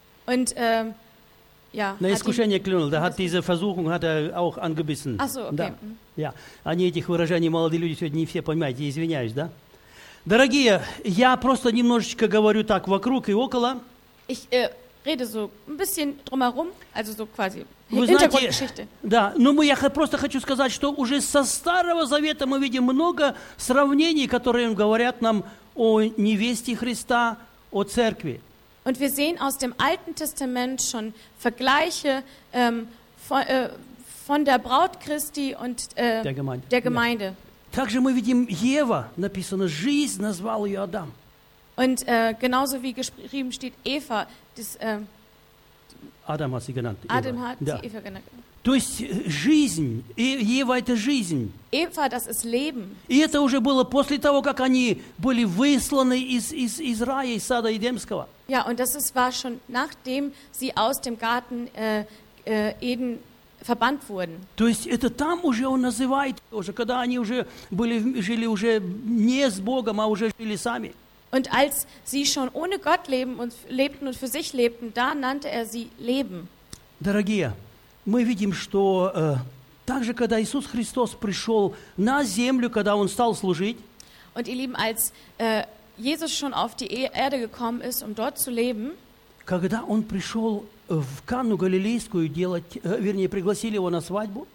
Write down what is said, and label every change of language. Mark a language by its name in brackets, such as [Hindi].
[German] Und ja. [Russian] На искушение клюнул. Да, [German] hat diese Versuchung hat auch angebissen. Ach so, okay. [Russian] Да. [German] Ja. [Russian] Они этих выражений молодые люди сегодня не все понимают. Я извиняюсь, да. Дорогие, я просто немножечко говорю так вокруг и около. [German] Ich rede so ein bisschen drumherum, also so quasi. [Russian] Вы знаете, да, но мы, я просто хочу сказать, что уже со Старого Завета мы видим много сравнений, которые говорят нам о невесте Христа, о церкви. [German] Und wir sehen aus dem Alten Testament schon Vergleiche von der Braut Christi und der Gemeinde. Ja. [Russian] Также мы видим Ева, написано, жизнь назвал ее Адам. [German] Und genauso wie geschrieben steht Eva, das Адам hat sie genannt. Adam hat sie Eva genannt. [Russian] То есть жизнь. Ева это жизнь. [German] Eva, das ist Leben. [Russian] И это уже было после того, как они были высланы из рая, из сада Эдемского. [German] Ja, und das ist, war schon nachdem sie aus dem Garten Eden verbannt wurden. [Russian] То есть это там уже он называет, уже когда они уже были жили уже не с Богом, а уже жили сами. [German] Und als sie schon ohne Gott lebten und für sich lebten, da nannte er sie Leben. [Russian] Дорогие, мы видим, что также когда Иисус Христос пришел на землю, когда он стал служить. [German] Und ihr Lieben, als Jesus schon auf die Erde gekommen ist, um dort zu leben. [Russian] Когда он пришел в Кану Галилейскую делать, вернее, пригласили его на свадьбу.